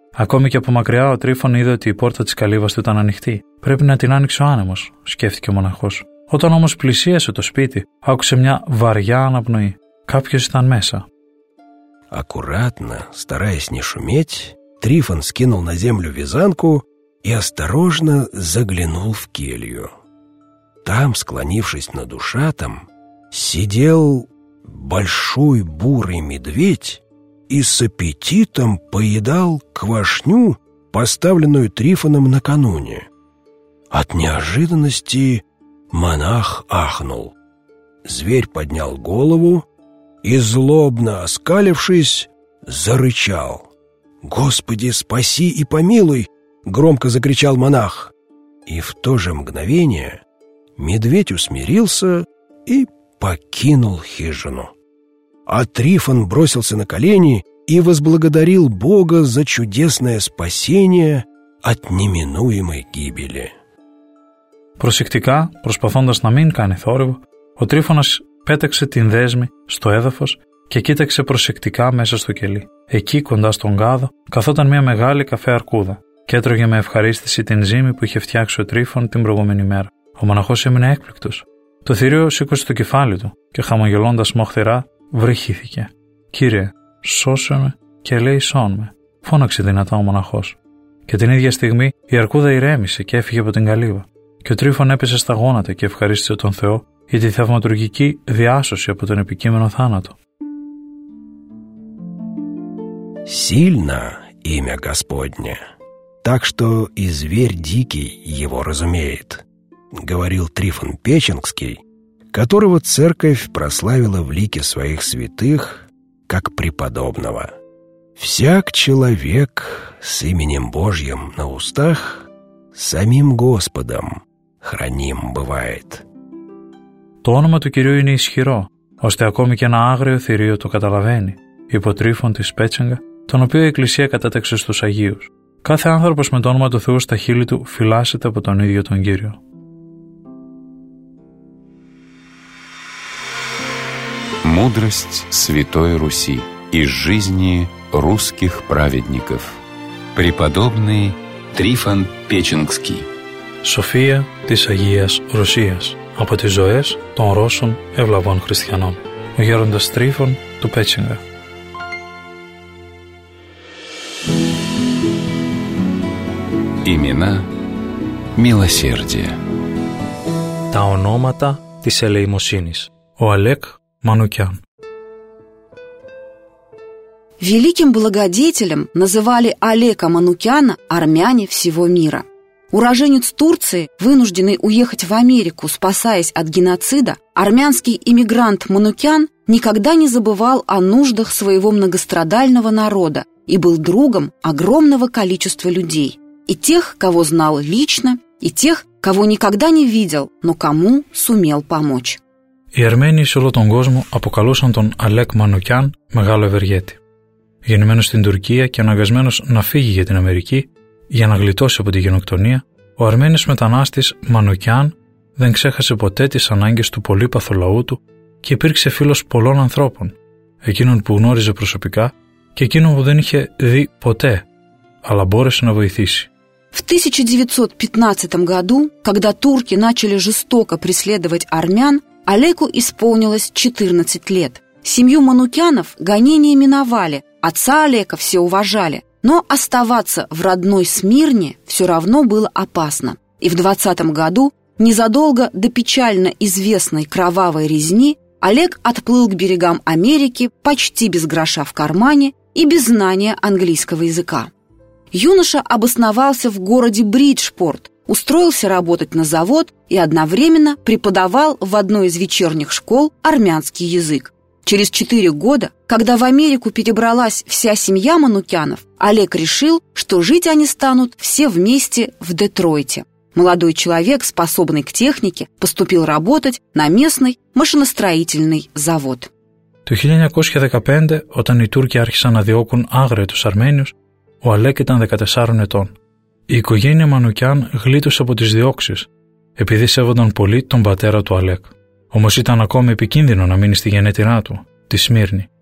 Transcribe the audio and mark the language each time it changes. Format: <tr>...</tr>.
<el>Ακόμη και από μακριά ο Τρίφων είδε ότι η πόρτα της καλύβας του ήταν ανοιχτή. Πρέπει να την άνοιξε ο άνεμος, σκέφτηκε ο μοναχός. Όταν όμως πλησίασε το σπίτι, άκουσε μια βαριά αναπνοή. Κάποιος ήταν μέσα.</el> <ru>Аккуратно, стараясь не шуметь, Трифон скинул на землю вязанку и осторожно заглянул в келью. Там, склонившись над ушатом, сидел большой бурый медведь и с аппетитом поедал квашню, поставленную Трифоном накануне. От неожиданности монах ахнул. Зверь поднял голову и, злобно оскалившись, зарычал. «Господи, спаси и помилуй!» — громко закричал монах. И в то же мгновение медведь усмирился и покинул хижину. А Трифон бросился на колени и возблагодарил Бога за чудесное спасение от неминуемой гибели.</ru> <el>Προσεκτικά, προσπαθώντας να μην κάνει θόρυβο, ο Τρίφωνας πέταξε την δέσμη στο έδαφος και κοίταξε προσεκτικά μέσα στο κελί. Εκεί, κοντά στον γάδο, καθόταν μια μεγάλη καφέ αρκούδα και έτρωγε με ευχαρίστηση την ζύμη που είχε φτιάξει ο Τρίφων την προηγούμενη μέρα. Ο μοναχός έμεινε έκπληκτος. Το θηρίο σήκωσε το κεφάλι του και χαμογελώντας μοχθηρά, βρυχήθηκε. «Κύριε, σώσε με και ελέησόν με», φώναξε δυνατά ο μοναχός. Και την ίδια στιγμή η αρκούδα ηρέμησε και έφυγε από την καλύβα. Και ο Τρίφων έπεσε στα γόνατα και ευχαρίστησε τον Θεό για τη θαυματουργική διάσωση από τον επικείμενο θάνατο.</el> <ru>Сильно имя Господне, так что и зверь дикий его разумеет, говорил Трифон Печенгский, которого церковь прославила в лике своих святых как преподобного. Всяк человек с именем Божьим на устах самим Господом храним бывает.</ru> <el>То όνομα του Κυρίου είναι ισχυρό, ώστε ακόμη και ένα άγριο θηρίο το καταλαβαίνει, είπε ο Τρίφων της Πέτσενγκα, τον οποίο η Εκκλησία κατέταξε στους Αγίους. Κάθε άνθρωπος με το όνομα του Θεού στα χείλη του φυλάσσεται από τον ίδιο τον Κύριο.</el> <ru>Мудрость Святой Руси из жизни русских праведников. Преподобный Трифон Печенгский.</ru> <el>Σοφία της Αγίας Ρωσίας από τις ζωές των Ρώσων ευλαβών χριστιανών. Ο γέροντας Τρίφων του Πέτσενγκα.</el> <ru>Имена милосердия.</ru> <el>Τα ονόματα της ελεημοσύνης. Ο Алек Манукян.</el> <ru>Великим благодетелем называли Алека Манукяна армяне всего мира. Уроженец Турции, вынужденный уехать в Америку, спасаясь от геноцида, армянский иммигрант Манукян никогда не забывал о нуждах своего многострадального народа и был другом огромного количества людей. И тех, кого знал лично, и тех, кого никогда не видел, но кому сумел помочь.</ru> <el>Οι Αρμένοι σε όλο τον κόσμο αποκαλούσαν τον Алек Манукян «Μεγάλο Ευεργέτη». Γεννημένος στην Τουρκία και αναγκασμένος να φύγει για την Αμερική για να γλιτώσει από τη γενοκτονία, ο Αρμένιος μετανάστης Μανουκιάν δεν ξέχασε ποτέ τις ανάγκες του πολύπαθου λαού του και υπήρξε φίλος πολλών ανθρώπων, εκείνων που γνώριζε προσωπικά και εκείνων που δεν είχε δει ποτέ, αλλά μπόρεσε να βοηθήσει.</el> <ru>В 1915 году, когда турки начали жестоко преследовать армян, Алеку исполнилось 14 лет. Семью Манукянов гонения миновали, отца Алека все уважали, но оставаться в родной Смирне все равно было опасно. И в 1920 году, незадолго до печально известной кровавой резни, Алек отплыл к берегам Америки почти без гроша в кармане и без знания английского языка. Юноша обосновался в городе Бриджпорт, устроился работать на завод и одновременно преподавал в одной из вечерних школ армянский язык. Через 4 года, когда в Америку перебралась вся семья Манукянов, Алек решил, что жить они станут все вместе в Детройте. Молодой человек, способный к технике, поступил работать на местный машиностроительный завод.</ru> <el>Το 1915, όταν οι Τούρκοι άρχισαν να διώκουν άγρια τους Αρμένιους, ο Αλέκ ήταν 14 ετών. Η οικογένεια Μανουκιάν γλίτωσε από τις διώξεις, επειδή σέβονταν πολύ τον πατέρα του Αλέκ. Όμως ήταν ακόμη επικίνδυνο να μείνει στη γενέτειρά του, τη Σμύρνη.</el>